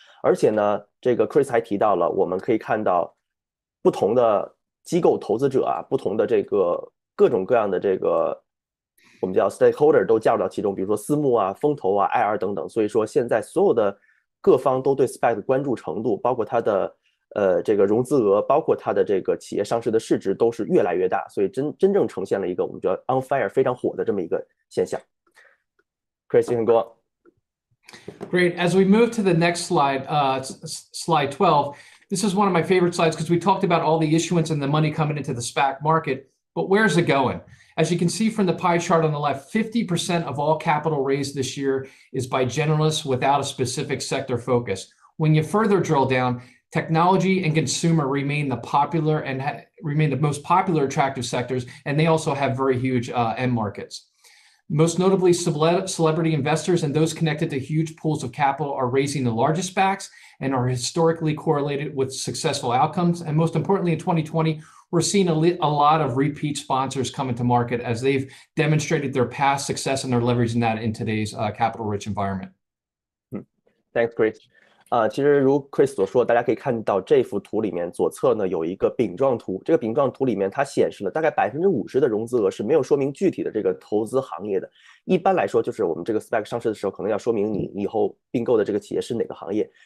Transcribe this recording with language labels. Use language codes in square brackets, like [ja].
[zh] 而且呢，这个 Chris 还提到了，我们可以看到不同的机构投资者啊，不同的这个各种各样的这个我们叫 stakeholder 都加入到其中，比如说私募啊、风投啊、IR 等等。所以说现在所有的各方都对 SPAC 的关注程度，包括它的这个融资额，包括它的这个企业上市的市值都是越来越大，所以真正呈现了一个我们叫 on fire 非常火的这么一个现象。 [en] Chris, you can go on. Great. As we move to the next slide, slide 12, this is one of my favorite slides because we talked about all the issuance and the money coming into the SPAC market, but where's it going? As you can see from the pie chart on the left, 50% of all capital raised this year is by generalists without a specific sector focus. When you further drill down, technology and consumer remain the popular and remain the most popular attractive sectors, and they also have very huge end markets. Most notably, celebrity investors and those connected to huge pools of capital are raising the largest SPACs and are historically correlated with successful outcomes. And most importantly, in 2020,we're seeing a lot of repeat sponsors come into market as they've demonstrated their past success and they're leveraging that in today's capital-rich environment. Thanks, Chris. [zh] 其实如 Chris 所说，大家可以看到这幅图里面左侧呢有一个饼状图。这个饼状图里面它显示了大概50%的融资额是没有说明具体的这个投资行业的。一般来说，就是我们这个 SPAC 上市的时候，可能要说明你以后并购的这个企业是哪个行业。